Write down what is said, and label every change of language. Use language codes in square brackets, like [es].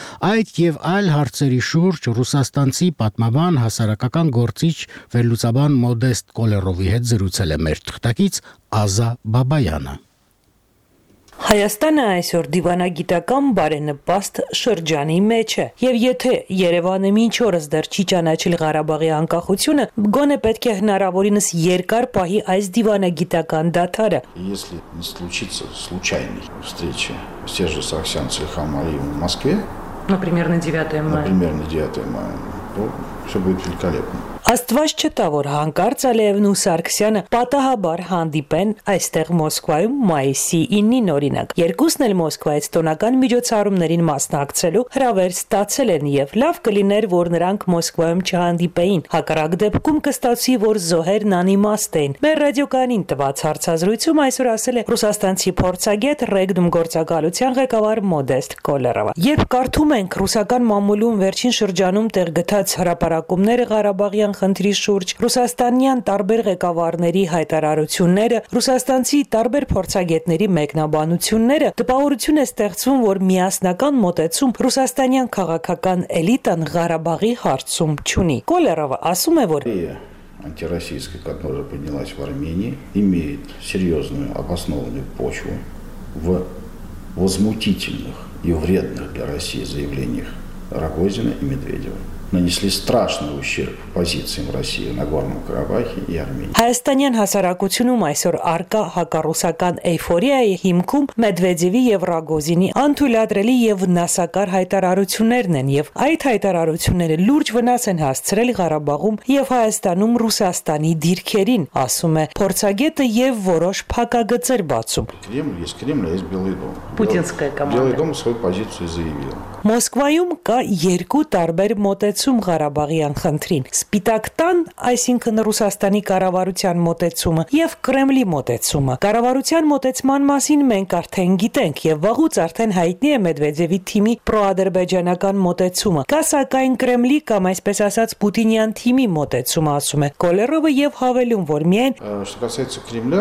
[hy] Այդ և այլ հարցերի շուրջ ռուսաստանցի պատմաբան հասարակական գործիչ վերլուծաբան Մոդեստ Կոլերովի հետ զրուցել եմ թղթակից Ազա Բաբայանը։ Հայաստանը այսօր դիվանագիտական բարենպաստ շրջանի մեջ է, և եթե Երևանը մինչ օրս դեռ չի ճանաչել Ղարաբաղի անկախությունը, գոնե պետք է հնարավորինս երկար պահի այս դիվանագիտական դաթարը։ [ru] Если не случится случайной встречи с тем же Саксянцем Хамари в Москве, например, на 9 мая. Например, на 9 мая. То всё будет великолепно. [hy] Աստված չտա, որ հանկարծ Ալևն ու Սարգսյանը պատահաբար հանդիպեն այստեղ Մոսկվայում մայիսի 9-ին օրինակ։ Երկուսն էլ Մոսկվայից տոնական միջոցառումներին մասնակցելու հրավեր ստացել են, և լավ կլիներ, որ նրանք Մոսկվայում չհանդիպեին։ Հակառակ դեպքում կստացվի, որ զոհերն անիմաստ էին։ Մեր ռադիոկանին տված հարցազրույցում այսօր ասել է ռուսաստանցի փորձագետ Ռեգդում գործակալության ղեկավար Մոդեստ Կոլերովը. Երբ կարդում ենք ռուսական մամուլում վերջին շրջանում տեղ գտած հրապարակումները Ղարաբաղ Ղարաբաղյան խնդրի շուրջ, ռուսաստանյան տարբեր ղեկավարների հայտարարությունները, ռուսաստանցի տարբեր փորձագետների մեկնաբանությունները, տպավորություն է ստեղծվում, որ միասնական մոտեցում ռուսաստանյան քաղաքական էլիտան Ղարաբաղի հարցում չունի։ Կոլերովը ասում է, որ [ru] антироссийская, которая поднялась в Армении, имеет серьёзную обоснованную почву в возмутительных и вредных для России заявлениях Рогозина и Медведева. Нанесли страшный ущерб позициям России на Горном Карабахе и Армении. [hy] Հայաստանյան հասարակությունում այսօր արկա հակառուսական էйֆորիայի հիմքում Մեդվեդևի և Ռագոզինի անթույլատրելի և վնասակար հայտարարություններն են, և այդ հայտարարությունները լուրջ վնաս են հասցրել Ղարաբաղում և Հայաստանում Ռուսաստանի դիրքերին, ասում է փորձագետը, և որոշ փակագծեր բացում։ [ru] Кремль есть Кремль, а есть Белый дом. Путинская команда. Белый дом свою позицию заявил. [hy] Մոսկվայում կա երկու տարբեր մոտեցում Ղարաբաղյան խնդրին. Սպիտակ տան, այսինքն Ռուսաստանի կառավարության մոտեցումը, և Կրեմլի մոտեցումը։ Կառավարության մոտեցման մասին մենք արդեն գիտենք, և վաղուց արդեն հայտնի է Մեդվեդևի թիմի պրոադրբեջանական մոտեցումը։ Կա սակայն Կրեմլի կամ այսպես ասած Պուտինյան թիմի մոտեցումը, ասում է Կոլերովը, և հավելում, որ միայն